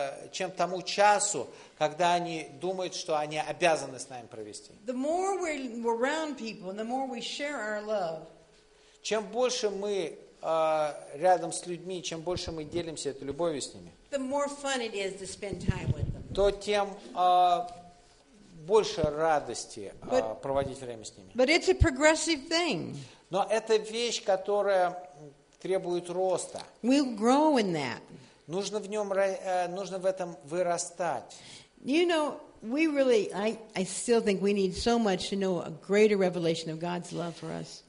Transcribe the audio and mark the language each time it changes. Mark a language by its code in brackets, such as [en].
[ru] Чем тому часу, когда они думают, что они обязаны с нами провести. [en] The more we're around people, the more we share our love. [ru] Чем больше мы рядом с людьми, чем больше мы делимся этой любовью с ними. [en] The more fun it is to spend time with them. [ru] То тем больше радости проводить время с ними. [en] But it's a progressive thing. [ru] Но это вещь, которая требует роста. [en] We'll grow in that. [ru] Нужно в этом вырастать. [en] You know, we really, I still think we need so much to know a greater revelation of God's love for us.